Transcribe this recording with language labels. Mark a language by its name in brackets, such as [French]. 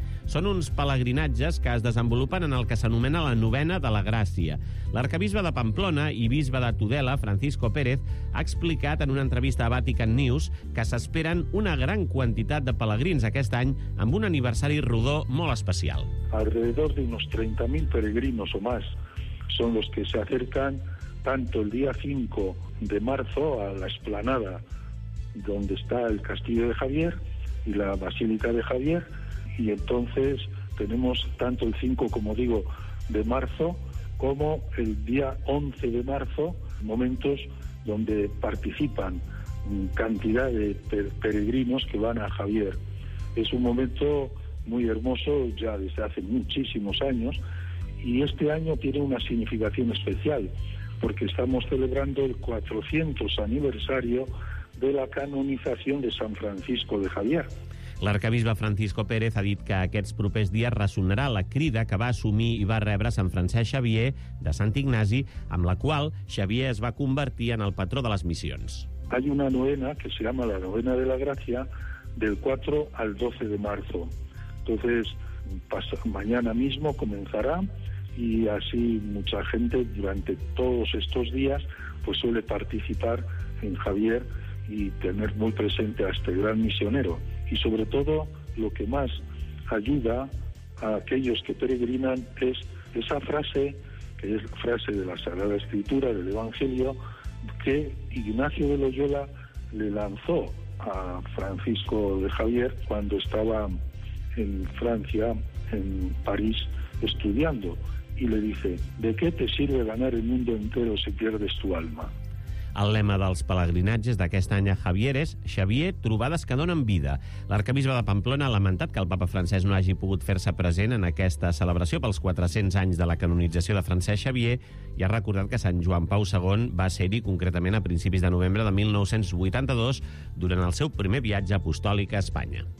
[Catalan] Són uns pelegrinatges que es desenvolupen en el que s'anomena la Novena de la Gràcia. L'arcabisbe de Pamplona i bisbe de Tudela, Francisco Pérez, ha explicat en una entrevista a Vatican News que s'esperen una gran quantitat de pelegrins aquest any amb un aniversari rodó molt especial. [Spanish] Alrededor de unos 30.000 peregrinos o más son los que se acercan tanto el día 5 de marzo a la explanada donde está el Castillo de Javier y la Basílica de Javier, y entonces tenemos tanto el 5, como digo, de marzo, como el día 11 de marzo, momentos donde participan cantidad de peregrinos que van a Javier. Es un momento muy hermoso ya desde hace muchísimos años. Y este año tiene una significación especial, porque estamos celebrando el 400 aniversario de la canonización de San Francisco de Javier. [Catalan] L'arcabisbe Francisco Pérez ha dit que aquests propers dies ressonarà la crida que va assumir i va rebre Sant Francesc Xavier de Sant Ignasi, amb la qual Xavier es va convertir en el patró de les missions. [Spanish] Hay una novena que se llama la Novena de la Gracia del 4 al 12 de marzo. Entonces, mañana mismo comenzará, y así mucha gente durante todos estos días pues suele participar en Javier y tener muy presente a este gran misionero. Y sobre todo, lo que más ayuda a aquellos que peregrinan es esa frase, que es frase de la Sagrada Escritura, del Evangelio, que Ignacio de Loyola le lanzó a Francisco de Javier cuando estaba en Francia, en París, estudiando, y le dice: ¿de qué te sirve ganar el mundo entero si pierdes tu alma? [Catalan] El lema dels pelegrinatges d'aquest any a Javier és Xavier, trobades que donen vida. L'arcabisbe de Pamplona ha lamentat que el papa francès no hagi pogut fer-se present en aquesta celebració pels 400 anys de la canonització de Francesc Xavier, i ha recordat que Sant Joan Pau II va ser-hi concretament a principis de novembre de 1982 durant el seu primer viatge apostòlic a Espanya.